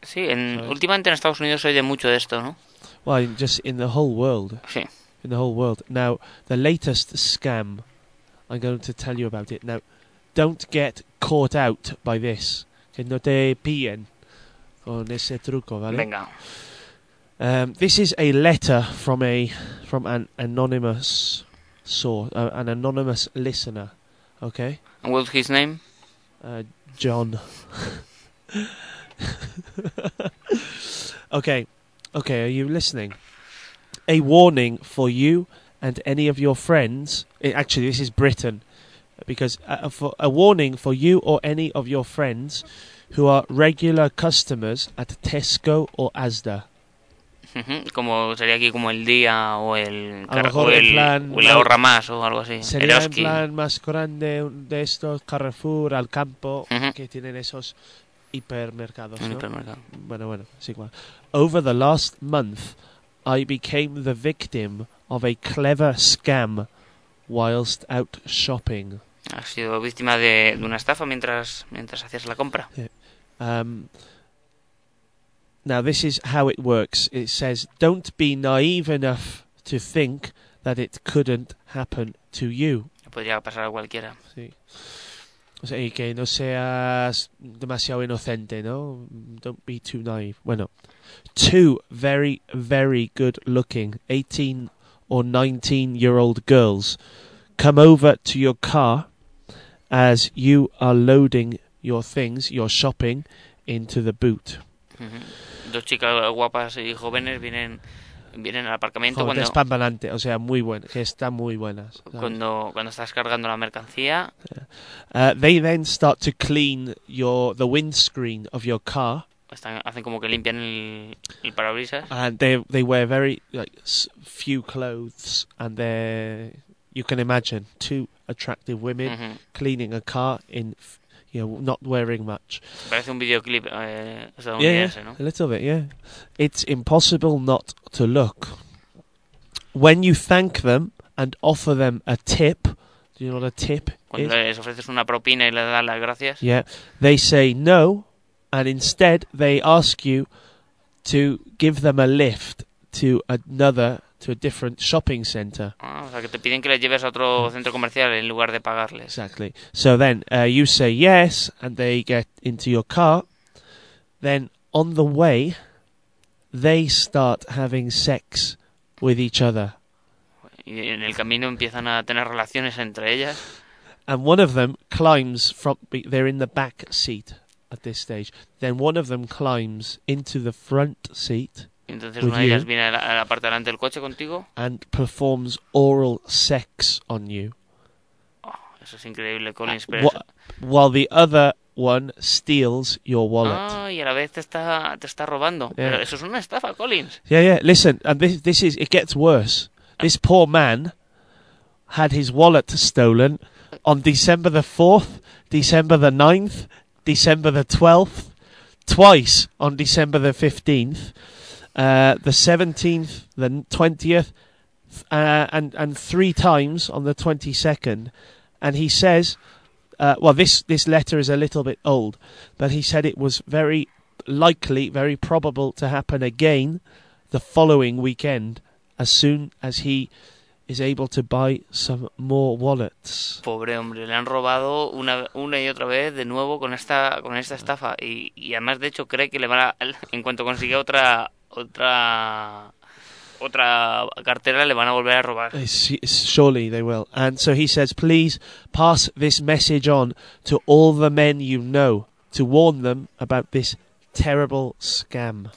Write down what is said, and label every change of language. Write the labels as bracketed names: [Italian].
[Spanish] Sí, últimamente en Estados Unidos se oye mucho de esto, ¿no? [English] Well, just in the whole world. [Spanish] Sí. [English] In the whole world. Now, the latest scam, I'm going to tell you about it. Now, don't get caught out by this. [Spanish] Que no te pillen con ese truco, ¿vale? Venga. [English] This is a letter from an anonymous source, an anonymous listener, okay? And what's his name? John. Okay. Okay, are you listening? A warning for you and any of your friends. Actually, this is Britain. Because a warning for you or any of your friends who are regular customers at Tesco or Asda. [Spanish] Como sería aquí como el día o el Carrefour, el ahorra más o algo así. Sería el plan más grande de estos, Carrefour, Alcampo, que tienen esos hipermercados, ¿no? Hipermercado. Bueno, sí, igual. [English] Over the last month, I became the victim of a clever scam whilst out shopping. [Spanish] Has sido víctima de una estafa mientras hacías la compra. [English] Now, this is how it works. It says, don't be naive enough to think that it couldn't happen to you. [Spanish] Podría pasar a cualquiera. Sí. O sea, y que no seas demasiado inocente, ¿no? [English] Don't be too naive. Bueno, two very, very good-looking 18 or 19-year-old girls come over to your car as you are loading your things, your shopping, into the boot. [Spanish] Dos chicas guapas y jóvenes vienen al aparcamiento. Joder, cuando despampanante, o sea, muy buenas, que están muy buenas. Cuando estás cargando la mercancía. [English] They then start to clean the windscreen of your car. [Spanish] Hacen como que limpian el parabrisas. [English] And they wear very few clothes, and you can imagine two attractive women cleaning a car in. Not wearing much. [Spanish] Parece un videoclip estadounidense, ¿no? [English] A little bit, yeah. It's impossible not to look. When you thank them and offer them a tip, do you know what a tip is? [Spanish] Cuando les ofreces una propina y les das las gracias. [English] Yeah. They say no, and instead they ask you to give them a lift to a different shopping center. [Spanish] Ah, o sea, que te piden que les lleves a otro centro comercial en lugar de pagarles. [English] Exactly. So then you say yes and they get into your car. Then on the way they start having sex with each other. [Spanish] Y en el camino empiezan a tener relaciones entre ellas. [English] And one of them climbs from they're in the back seat at this stage. Then one of them climbs into the front seat. [Spanish] Entonces una de ellas viene a la parte de delante del coche contigo. [English] And performs oral sex on you. [Spanish] Oh, eso es increíble, Colin. [English] While the other one steals your wallet. [Spanish] Ah, y a la vez te está robando. Yeah. Pero eso es una estafa, Colin. [English] Yeah, listen, and this is, it gets worse. This poor man had his wallet stolen on December the 4th, December the 9th, December the 12th, twice on December the 15th. The 17th, the 20th, and three times on the 22nd. And he says, this letter is a little bit old, but he said it was very likely, very probable to happen again the following weekend as soon as he is able to buy some more wallets. [Spanish] Pobre hombre, le han robado una y otra vez de nuevo con esta estafa. Y además, de hecho, cree que le van a, en cuanto consiga otra cartera, le van a volver a robar. [English] Surely they will. And so he says, please pass this message on to all the men you know to warn them about this terrible scam.